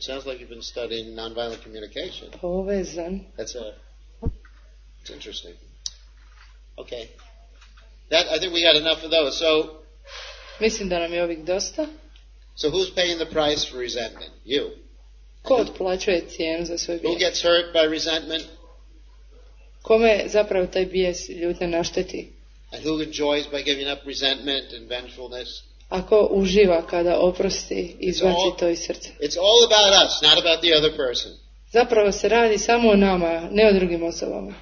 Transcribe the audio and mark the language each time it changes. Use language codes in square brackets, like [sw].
[en] Sounds like you've been studying nonviolent communication. [hr] Povezan. [en] It's interesting. Okay. That I think we got enough of those. So. [hr] Mislim da nam je ovih dosta. [en] So who's paying the price for resentment? You. [hr] Ko plaćuje cijenu za svoj bijes? [en] Who gets hurt by resentment? [hr] Kome zapravo taj bijes ljutnje našteti? [en] And who enjoys by giving up resentment and vengefulness? [hr] A ko uživa kada oprosti i izbaci to iz srca? [en] It's all about us, not about the other person. [hr] Zapravo se radi samo o nama, ne o drugim osobama.